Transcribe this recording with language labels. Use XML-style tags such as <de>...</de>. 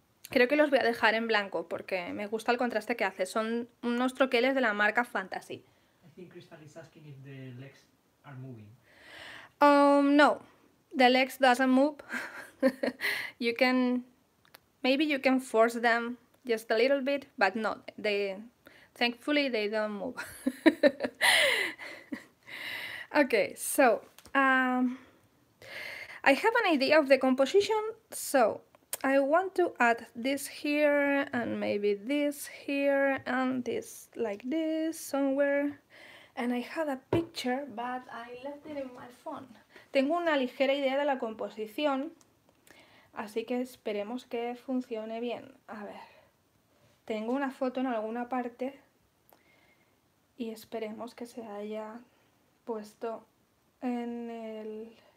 <es>Creo que los voy a dejar en blanco porque me gusta el contraste que hace. Son unos troqueles de la marca Fantasy.</es> <en>I think Crystal is asking if the legs are moving. No. The legs doesn't move. Maybe you can force them just a little bit, but no, thankfully they don't move. Okay, so I have an idea of the composition, so I want to add this here and maybe this here and this like this somewhere. And I have a picture, but I left it in my phone.</en> <es>Tengo una ligera idea de la composición, así que esperemos que funcione bien. A ver, tengo una foto en alguna parte y esperemos que se haya puesto en el...</es>